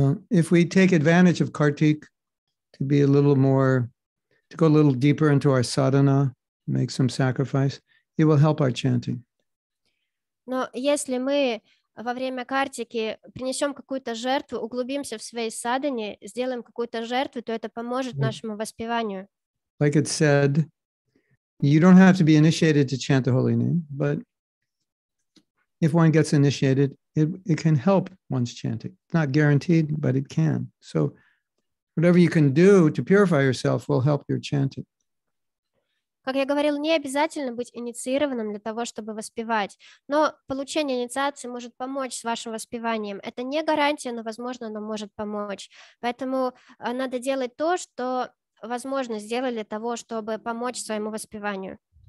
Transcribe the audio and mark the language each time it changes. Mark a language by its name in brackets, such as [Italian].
[English] If we take advantage of Kartik to be a little more, to go a little deeper into our sadhana, make some sacrifice, it will help our chanting. [Russian] Но если мы во время картики принесем какую-то жертву, углубимся в своей садхане, сделаем какую-то жертву, то это поможет нашему воспеванию. [English] Like it said, you don't have to be initiated to chant the holy name, but if one gets initiated, it can help one's chanting. Not guaranteed, but it can. So whatever you can do to purify yourself will help your chanting. [Russian] Как я говорил, не обязательно быть инициированным для того, чтобы воспевать. Но получение инициации может помочь с вашим воспеванием. Это не гарантия, но, возможно, оно может помочь. Поэтому надо делать то, что возможно сделать для того, чтобы помочь своему воспеванию.